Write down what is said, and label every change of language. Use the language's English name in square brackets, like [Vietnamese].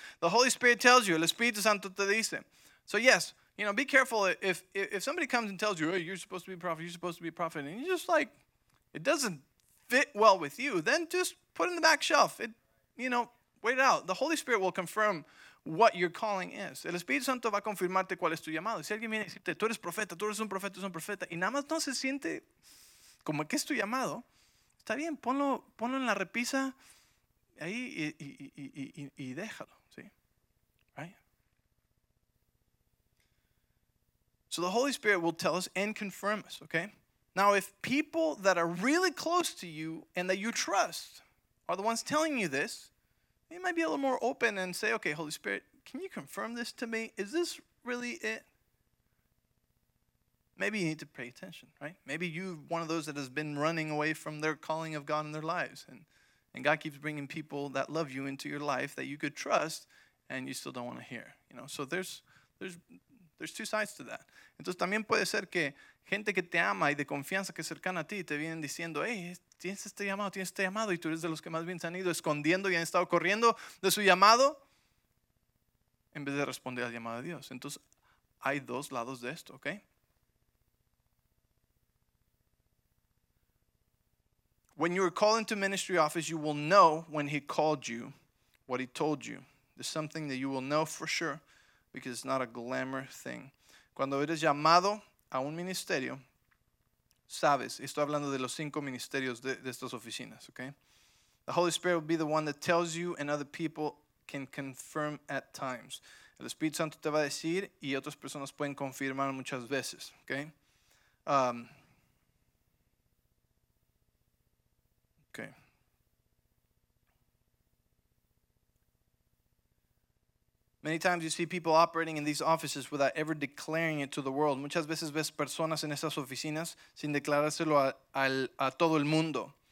[English] The Holy Spirit tells you. [Spanish] El Espíritu Santo te dice. [English] So yes, you know, be careful. If somebody comes and tells you, hey, you're supposed to be a prophet, you're supposed to be a prophet, and you just like, it doesn't fit well with you, then just put it in the back shelf. It, you know, Wait it out. The Holy Spirit will confirm what your calling is. [Spanish] El Espíritu Santo va a confirmarte cuál es tu llamado. Si alguien viene a decirte, tú eres un profeta, y nada más no se siente como que es tu llamado, está bien, ponlo en la repisa ahí y déjalo, ¿sí? [English] Right? So the Holy Spirit will tell us and confirm us, okay? Now, if people that are really close to you and that you trust are the ones telling you this, you might be a little more open and say, okay, Holy Spirit, can you confirm this to me? Is this really it? Maybe you need to pay attention, right? Maybe you're one of those that has been running away from their calling of God in their lives, and God keeps bringing people that love you into your life that you could trust, and you still don't want to hear, you know? So there's two sides to that. [Spanish] Entonces, también puede ser que gente que te ama y de confianza que es cercana a ti te vienen diciendo, hey, tienes este llamado, y tú eres de los que más bien se han ido escondiendo y han estado corriendo de su llamado en vez de responder al llamado de Dios. Entonces, hay dos lados de esto, ¿ok? [English] When you are called into ministry office, you will know when he called you, what he told you. There's something that you will know for sure because it's not a glamour thing. [Spanish] Cuando eres llamado a un ministerio, sabes, estoy hablando de los cinco ministerios de estas oficinas, okay? [English] The Holy Spirit will be the one that tells you and other people can confirm at times. [Spanish] El Espíritu Santo te va a decir y otras personas pueden confirmar muchas veces, okay? [English] Okay. Many times you see people operating in these offices without ever declaring it to the world. [Spanish] Muchas veces ves personas en esas oficinas sin declarárselo a todo el mundo.